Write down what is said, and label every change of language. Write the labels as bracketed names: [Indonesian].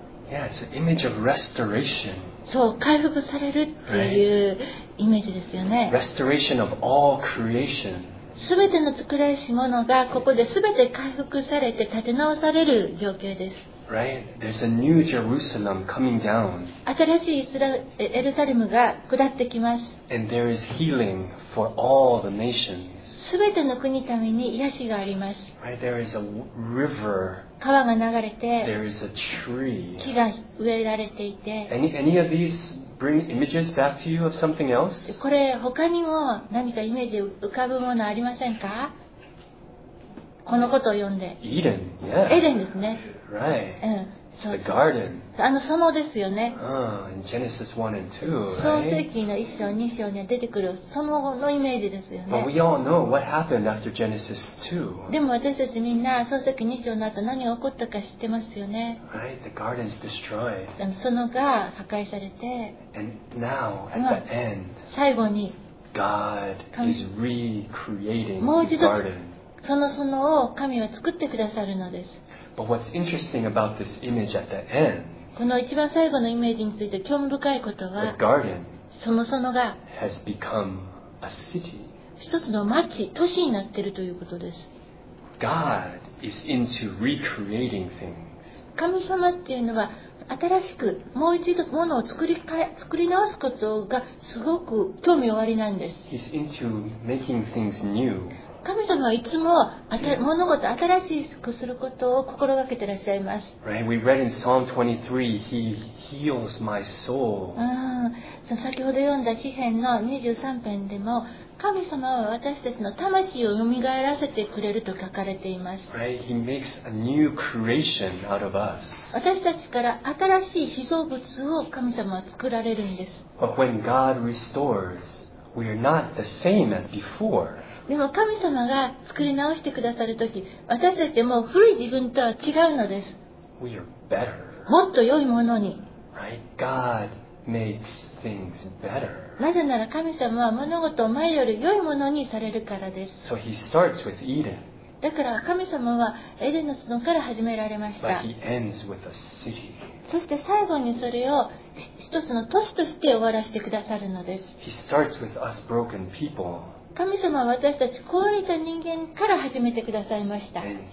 [English] Yeah, it's an image of restoration. [Japanese] そう、回復されるっていうイメージですよね。 [English] Restoration of all creation. [Japanese] 全ての作られし物がここで全て回復されて立て直される状況です。 [English] Right, there's a new Jerusalem coming down. [Japanese] 新しいエルサレムが下ってきます。 [English] And there is healing for all the nations. [Japanese] すべての国ために癒しがあります。 [English] Right, there is a river. [Japanese] 川が流れて。 [English] There is a tree. [Japanese] 木が植えられていて。 [English] Any of these bring images back to you of something else? [Japanese] これ他にも何かイメージ浮かぶものありませんか？このことを読んで。 [English] Eden, yeah. [Japanese] エデンですね。 [English] Right. [Japanese] うん、 [English] the garden. [Japanese] あの園ですよね。 [English] In Genesis 1 and 2, right? [Japanese] 創世記の1章、2章に出てくる園のイメージですよね。 [English] But we all know what happened after Genesis 2. [Japanese] でも私たちみんな創世記2章の後何が起こったか知ってますよね。 [English] Right, the garden's destroyed. [Japanese] 園が破壊されて。 [English] And now, at the end, [Japanese] 最後に、 [English] God is recreating the garden. [Japanese] もう一度、その園を神は作ってくださるのです。 [English] But what's interesting about this image at the end? [Japanese] この一番最後のイメージについて興味深いことは、 [English] the garden [Japanese] その園が [English] has become a city. [Japanese] 一つの町、都市になっているということです。 [English] God is into recreating things. [Japanese] 神様っていうのは新しくもう一度物を作り直すことがすごく興味おありなんです。 [English] He's into making things new. [Japanese] 神様はいつも物事を新しくすることを心がけていらっしゃいます。 [English] Right, we read in Psalm 23, He heals my soul. [Japanese] 先ほど読んだ詩篇の23編でも、神様は私たちの魂を蘇らせてくれると書かれています。 [English] Right, He makes a new creation out of us. [Japanese] 私たちから新しい被造物を神様は作られるんです。 [English] But when God restores, we are not the same as before. [Japanese] でも神様が作り直してくださるとき、私たちも古い自分とは違うのです。 [English] We are better. [Japanese] もっと良いものに。 [English] Right? God makes things better. [Japanese] なぜなら神様は物事を前より良いものにされるからです。 [English] So he starts with Eden. [Japanese] だから神様はエデンの園から始められました。 [English] But he ends with a city. [Japanese] そして最後にそれを一つの都市として終わらせてくださるのです。 [English] He starts with us broken people. [Japanese] 神様は私たち壊れた人間から始めてくださいました。